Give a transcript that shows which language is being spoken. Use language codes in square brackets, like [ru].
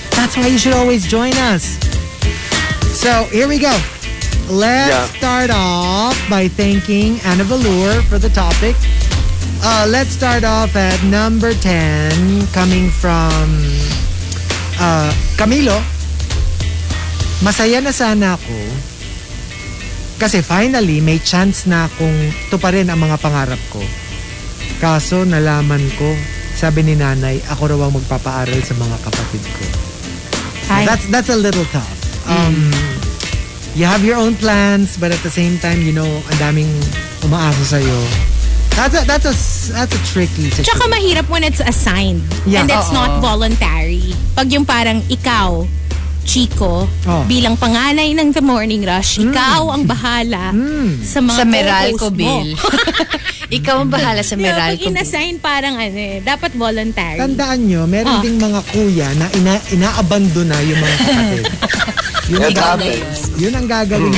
[en] That's why you should always join us. So here we go. Let's start off by thanking Anna Valour for the topic. Let's start off at number 10, coming from Camilo. [tl] Masaya na sana ako kasi finally may chance na akong tuparin ang mga pangarap ko. Kaso nalaman ko, sabi ni nanay, ako raw ang magpapaaral sa mga kapatid ko. [en] That's a little tough. You have your own plans, but at the same time, you know, [tl] ang daming umaasa sa'yo. [en] That's a tricky situation. [tl] Tsaka mahirap [en] when it's assigned. Yeah. And it's not voluntary. [tl] Pag yung parang ikaw, Chico, bilang panganay ng The Morning Rush, ikaw ang bahala sa mga sa Meralco Bill. Ikaw ang bahala sa Meralco Bill. Pag in-assign parang ano eh, dapat voluntary. Tandaan nyo, meron ding mga kuya na inaabandona yung mga kapatid. Yun ang gagawin.